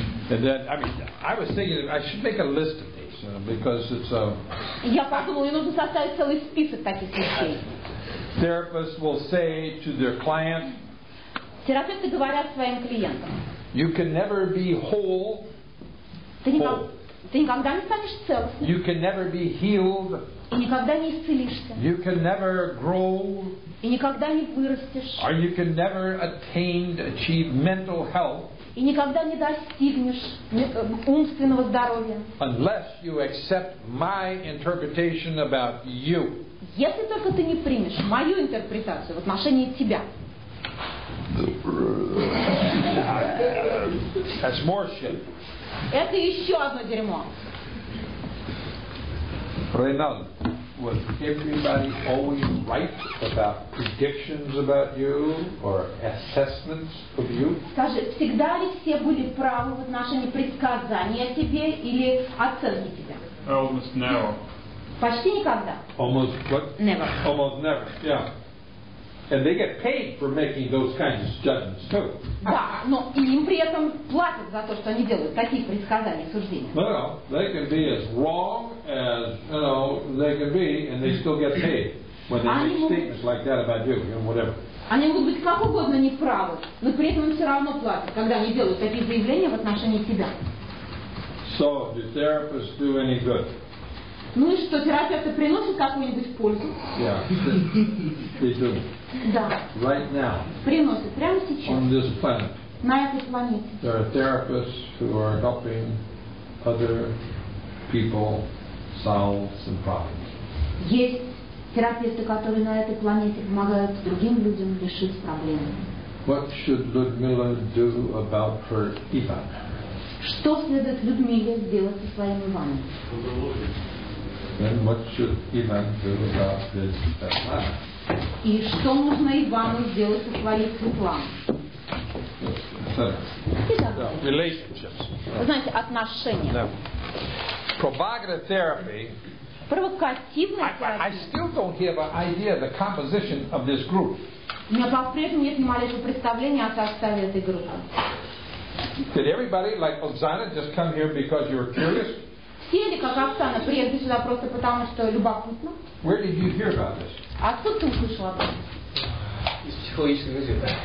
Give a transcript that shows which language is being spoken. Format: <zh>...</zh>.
<en>And then, I mean, I was thinking I should make a list of these, you know, because it's a...</en> <ru>Я подумал, мне нужно составить целый список таких вещей.</ru> <en>Therapists will say to their client,</en> <ru>терапевты говорят своим клиентам,</ru> <en>you can never be whole.</en> <ru>Ты никогда не станешь целостным.</ru> <en>You can never be healed.</en> <ru>И никогда не исцелишься.</ru> <en>You can never grow.</en> <ru>И никогда не вырастешь.</ru> <en>Or you can never achieve mental health.</en> <ru>И никогда не достигнешь умственного здоровья.</ru> <en>Unless you accept my interpretation about you.</en> <ru>Если только ты не примешь мою интерпретацию в отношении тебя.</ru> <en>That's more shit.</en> <ru>Это еще одно дерьмо.</ru> <en>Ренал, was everybody always right about predictions about you or assessments of you?</en> <ru>Скажи, всегда ли все были правы в отношении предсказания о тебе или оценки тебя?</ru> <en>Almost never.</en> <ru>Почти никогда.</ru> <en>Almost what? Never. Almost never. Yeah. And they get paid for making those kinds of judgments too.</en> <ru>Да, но им при этом платят за то, что они делают такие предсказания, суждения.</ru> <en>Well, they can be as wrong as you know they can be, and they still get paid when they make statements like that about you and whatever.</en> <ru>Они могут быть как угодно неправы, но при этом им все равно платят, когда они делают такие заявления в отношении тебя.</ru> <en>So, do therapists do any good?</en> <ru>Ну и что, терапевты приносят какую-нибудь пользу?</ru> <en>Yeah.</en> <ru>Да.</ru> <en>Right now.</en> <ru>Приносят прямо сейчас.</ru> <en>On this planet.</en> <ru>На этой планете.</ru> <en>There are therapists who are helping other people solve some problems.</en> <ru>Есть терапевты, которые на этой планете помогают другим людям решить проблемы.</ru> <en>What should Людмила do about her Иван?</en> <ru>Что следует Людмиле сделать со своим Иваном?</ru> <en>And what should Ivan do about this plan?</en> <ru>И что нужно Ивану сделать со своим планом?</ru> <en>Relationships.</en> <ru>Вы знаете, отношения.</ru> <en>No. Provocative therapy.</en> <ru>Провокативная терапия.</ru> <en>I still don't have an idea of the composition of this group.</en> <ru>У меня по-прежнему нет ни малейшего представления о составе этой группы.</ru> <en>Did everybody like Oksana just come here because you were curious?</en> <ru>Все ли, как Оксана, приехали сюда просто потому, что любопытно?</ru> <en>Where did you hear about this?</en> <ru>Откуда ты услышал об этом? Из психологической газеты.</ru>